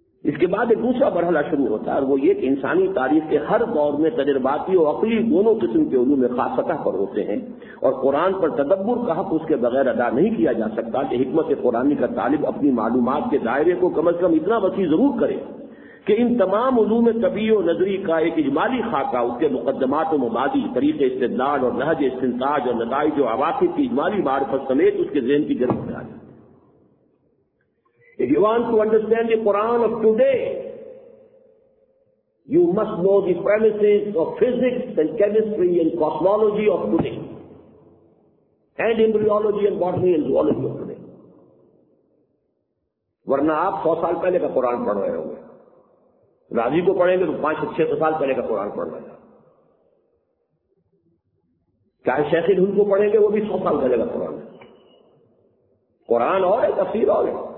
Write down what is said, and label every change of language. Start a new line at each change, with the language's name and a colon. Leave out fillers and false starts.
Urdu: اس کے بعد ایک دوسرا مرحلہ شروع ہوتا ہے، اور وہ یہ کہ انسانی تاریخ کے ہر دور میں تجرباتی اور عقلی دونوں قسم کے علوم خاص سطح پر ہوتے ہیں، اور قرآن پر تدبر کا حق اس کے بغیر ادا نہیں کیا جا سکتا کہ حکمت قرآنی کا طالب اپنی معلومات کے دائرے کو کم از کم اتنا وسیع ضرور کرے کہ ان تمام علوم طبیعی و نظری کا ایک اجمالی خاکہ، اس کے مقدمات و مبادی، طریق استدلال اور نہج استنتاج اور نتائج و عواقب کی اجمالی معرفت سمیت اس کے ذہن کی گرفت میں آ جائے.
English: If you want to understand the Quran of today, you must know the premises of physics and chemistry and cosmology of today, and embryology and botany and zoology of today.
Urdu: ورنہ آپ 100 سال پہلے کا قرآن پڑھ رہے ہوں گے. راضی کو پڑھیں گے تو 5-6 سال پہلے کا قرآن پڑھ رہے ہیں. چاہے شیخ الہند کو پڑھیں گے، وہ بھی 100 سال پہلے کا قرآن ہے. قرآن اور ہے، تفسیر اور ہے.